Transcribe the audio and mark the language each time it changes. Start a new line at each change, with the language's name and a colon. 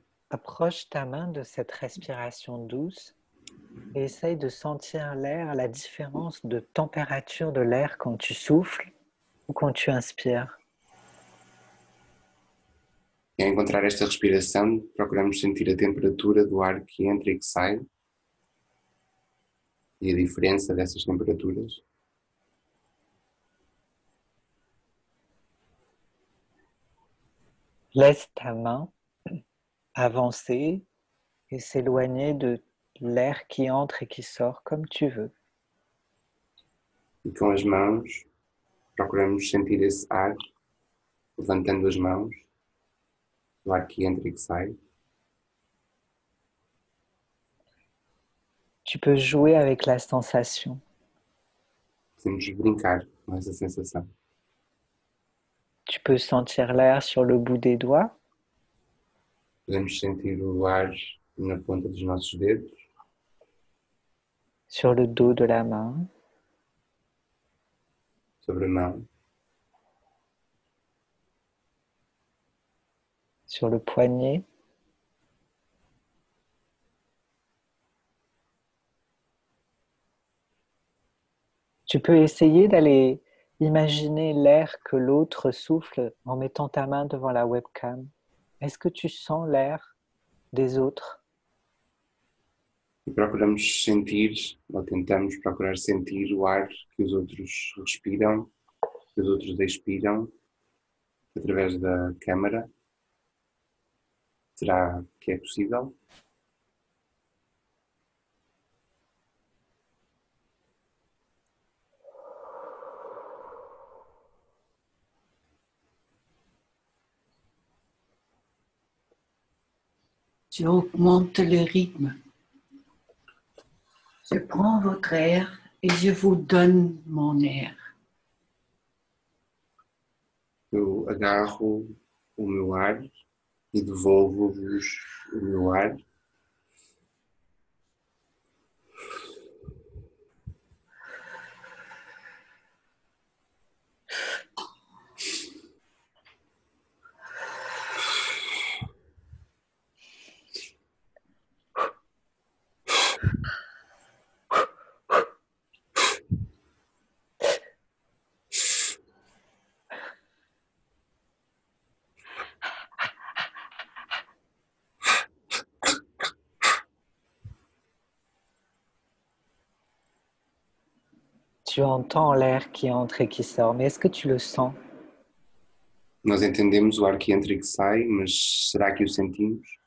French: Approche ta main de cette respiration douce et essaye de sentir l'air, la différence de température de l'air quand tu souffles ou quand tu inspires.
Portuguese: E ao encontrar esta respiração, procuramos sentir a temperatura do ar que entra e que sai e a diferença dessas temperaturas.
French: Laisse ta main avancer et s'éloigner de l'air qui entre et qui sort comme tu veux.
Portuguese: E com as mãos, procuramos sentir esse ar, levantando as mãos, o ar que entra e que sai.
French: Tu peux jouer avec la sensation.
Portuguese: Podemos brincar com essa sensação.
French: Tu peux sentir l'air sur le bout des doigts.
Portuguese: Podemos sentir o ar na ponta dos nossos dedos.
French: Sur le dos de la main.
Portuguese: Sobre a mão.
French: Sur le poignet. Tu peux essayer d'aller imaginer l'air que l'autre souffle en mettant ta main devant la webcam. Est-ce que tu sens l'air des autres?
Portuguese: E procuramos sentir, ou tentamos procurar sentir o ar que os outros respiram, que os outros expiram, através da câmara. Será que é possível?
French: Je augmente le rythme. Je prends votre air et je vous donne mon air.
Portuguese: Eu agarro o meu ar e devolvo-vos o meu ar.
French: Tu entends l'air qui entre et qui sort, mais est-ce que tu le sens?
Portuguese: Nós entendemos o ar que entra e que sai, mas será que o sentimos?